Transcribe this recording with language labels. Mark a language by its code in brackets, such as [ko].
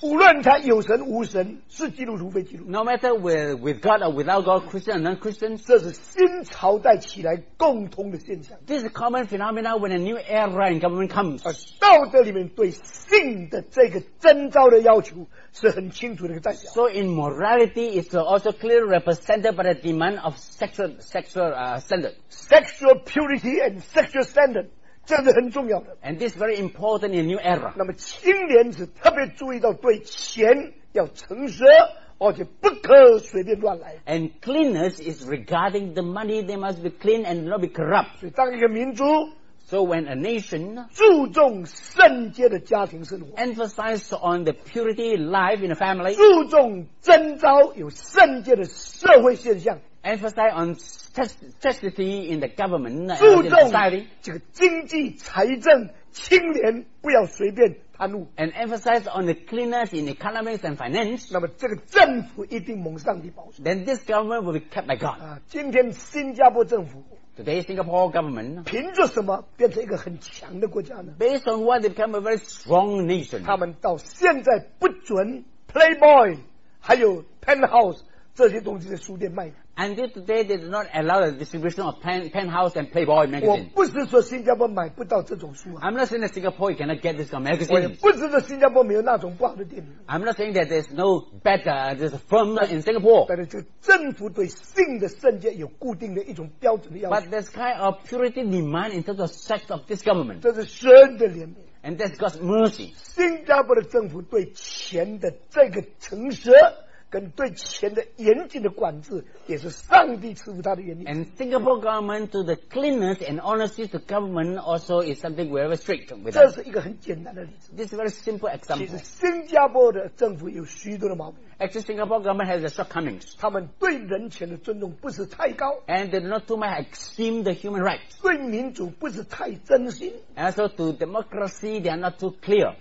[zh] 无论他有神无神是基督徒非基督徒 [en] No matter with God or without God Christian or non-Christian [zh] 这是新朝代起来共同的现象 [en] This is a common phenomenon when a new era in government comes [zh] 而道德里面对信的这个征召的要求是很清楚的一个代表 [en] So in morality it's also clearly represented by the demand of sexual standard Sexual purity and sexual standard [zh] 这是很重要的 [en] And this is very important in a new era [zh] 那么清廉是特别注意到对钱要诚实而且不可随便乱来 [en] And cleanness is regarding the money they must be clean and not be corrupt [zh] 所以当一个民族 [en] So when a nation [zh] 注重圣洁的家庭生活 [en] Emphasize on the purity life in a family [zh] 注重征召有圣洁的社会现象 [en] Emphasize on chastity in the government [zh] 注重这个经济财政清廉不要随便贪污 [en] and emphasize on the cleanness in economics and finance [zh] 那么这个政府一定蒙上帝保守 [en] then this government will be kept by God [zh] 今天新加坡政府 [en] today Singapore government [zh] 凭着什么变成一个很强的国家呢 [en] based on what they become a very strong nation [zh] 他们到现在不准 playboy 还有 penthouse 这些东西在书店卖的 [en] Until today, they do not allow the distribution of penthouse and Playboy magazine. [zh] 我不是说新加坡买不到这种书啊。 [en] I'm not saying that Singapore cannot get this kind of magazine. [zh] 我也不是说新加坡没有那种不好的电影。 [en] I'm not saying that there's no better, there's a firm in Singapore. [zh] 但是这个政府对性的圣洁有固定的一种标准的要求。 [en] But this kind of purity demand in terms of sex of this government. [zh] 这是神的怜悯。 [en] And that's God's mercy. [zh] 新加坡的政府对钱的这个诚实。跟对钱的严谨的管制也是上帝赐福他的原因 [en] and Singapore government to the cleanness and honesty to government also is something we have a strict [zh] 这是一个很简单的例子 [en] this is a very simple example [zh] 其实新加坡的政府有许多的毛病 [en] actually Singapore government has a shortcomings [zh] 他们对人权的尊重不是太高 [en] and they do not too much esteem the human rights [zh] 对民主不是太真心 [en] and also to democracy they are not too clear